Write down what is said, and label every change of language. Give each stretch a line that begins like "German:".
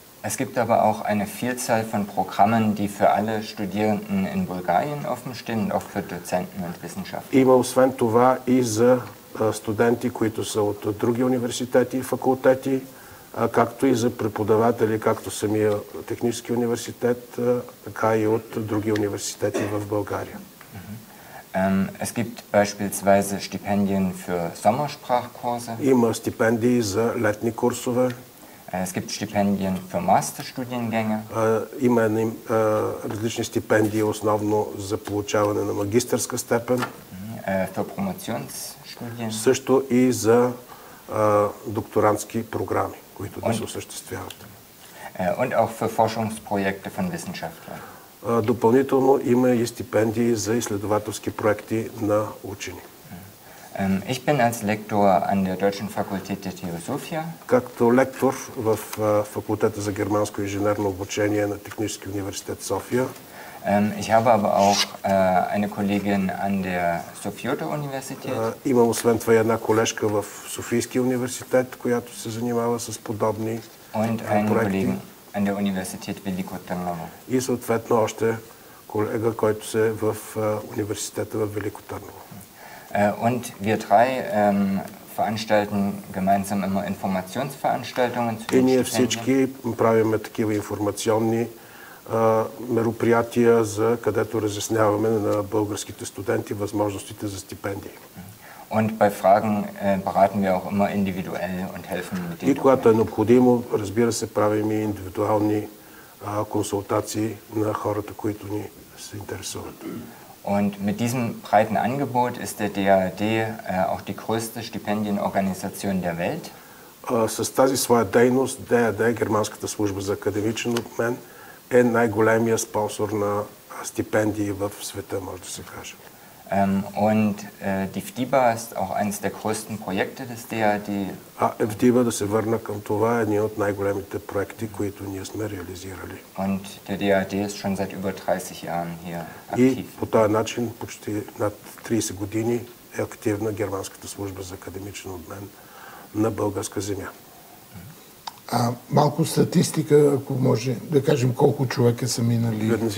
German: Es gibt aber auch eine Vielzahl von Programmen, die für alle Studierenden in Bulgarien offen stehen, auch für Dozenten und Wissenschaftler.
Bulgarian: Има освен това и за студенти, които са от други университети и факултети, както и за преподаватели, както самия технически университет, така и от други университети в България.
German: Es gibt beispielsweise Stipendien für Sommersprachkurse.
Bulgarian: Има стипендии за летни курсове.
German: Es gibt Stipendien für Masterstudiengänge.
Bulgarian: Има различни стипендии основно за получаване на магистърска степен.
German: Für Promotionsstudien.
Bulgarian: Също и за докторантски програми, които да се осъществяват.
German: Und auch für Forschungsprojekte von Wissenschaftlern.
Bulgarian: Допълнително има и стипендии за изследователски проекти на учени.
German: Ich bin als Lektor an der Deutschen Fakultät der Theosophie.
Bulgarian: Както лектор в факултета за германско инженерно обучение на Техническия университет София.
German: Ich habe aber auch eine Kollegin an der Софийска университет.
Bulgarian: Имам освен това една колежка в Софийския университет, която се занимава с подобни проекти.
German: An der Universität Veliko Tarnovo.
Bulgarian: И съответно още колега, който се в университета в Велико Търново.
German: Und wir drei veranstalten gemeinsam immer Informationsveranstaltungen zu den Stipendien.
Bulgarian: И ние всички правиме такива информационни мероприятия, за където разясняваме на българските студенти възможностите за стипендии.
German: Und bei Fragen beraten wir auch immer individuell und helfen mit den Dokumenten.
Bulgarian: И когато е необходимо, разбира се, правим и индивидуални консултации на хората, които ни се интересуват.
German: Und mit diesem breiten Angebot ist der DAAD auch die größte Stipendienorganisation der Welt.
Bulgarian: С тази своя дейност DAAD, Германската служба за академичен обмен, е най-големия спонсор на стипендии в света, може да се каже.
German: Und die FDIBA ist auch eines der größten Projekte des DAAD.
Bulgarian: FDIBA, да се върна към това, е един от най-големите проекти, които ние сме реализирали.
German: Und der DAAD ist schon seit über 30 Jahren hier aktiv.
Bulgarian: И по този начин почти над 30 години е активна Германската служба за академичен обмен на българска земя. Малко статистика, ако може, да кажем колко човека са минали.